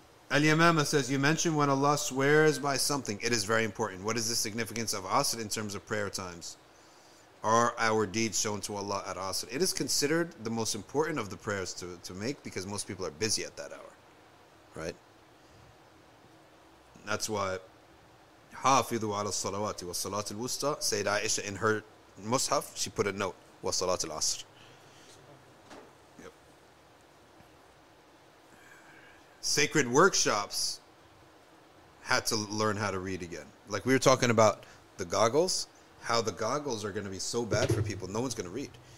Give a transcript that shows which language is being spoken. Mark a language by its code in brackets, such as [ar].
[en] Al-Yamama says, you mentioned when Allah swears by something, it is very important. What is the significance of Asr in terms of prayer times? Are our deeds shown to Allah at Asr? It is considered the most important of the prayers to make because most people are busy at that hour, right? That's why [ar] حافظوا على الصلوات والصلاة الوسطى. [en] Sayyid Aisha, in her mushaf, she put a note, [ar] والصلاة العصر. [en] Yep. Sacred workshops had to learn how to read again. Like we were talking about the goggles, how the goggles are going to be so bad for people, no one's going to read.